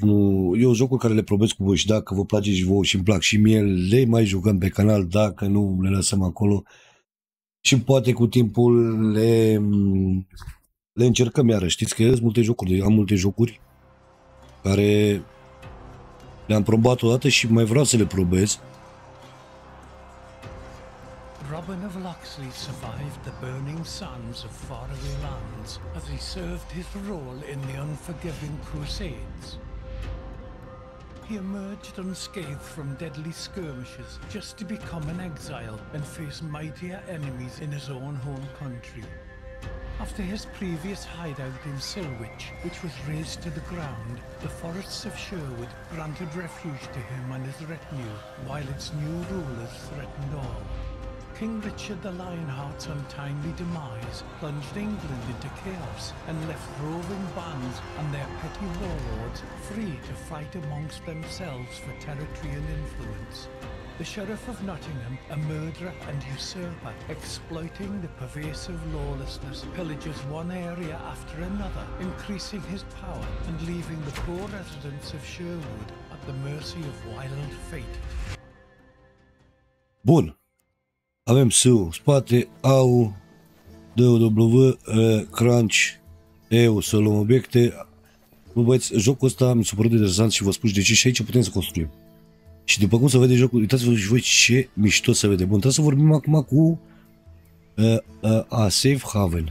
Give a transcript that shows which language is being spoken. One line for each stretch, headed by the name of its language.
Romanian: Nu, e un joc care le probesc cu voi și dacă vă place și vouă și îmi plac și mie, le mai jucăm pe canal, dacă nu le lăsăm acolo. Și poate cu timpul le încercăm iarăși. Știți că sunt multe jocuri, am multe jocuri care le-am probat odată și mai vreau să le probez.
English: Robin of Locksley survived the burning sands of faraway lands as he served his role in the Unforgiving Crusades. He emerged unscathed from deadly skirmishes just to become an exile and face mightier enemies in his own home country. After his previous hideout in Silwich, which was razed to the ground, the forests of Sherwood granted refuge to him and his retinue, while its new rulers threatened all. King Richard the Lionheart's untimely demise plunged England into chaos and left roving bands and their petty warlords free to fight amongst themselves for territory and influence. The Sheriff of Nottingham, a murderer and usurper, exploiting the pervasive lawlessness, pillages one area after another, increasing his power and leaving the poor residents of Sherwood at the mercy of wild fate.
Romanian: Bun. Avem SU, spate, AU, DW, Crunch, EU, să luăm obiecte. Bă, băieți, jocul ăsta mi s-a părut interesant și vă spun și de ce și aici putem să construim. Și după cum se vede jocul, uitați-vă și voi ce mișto se vede. Bun, trebuie să vorbim acum cu a Safe Haven.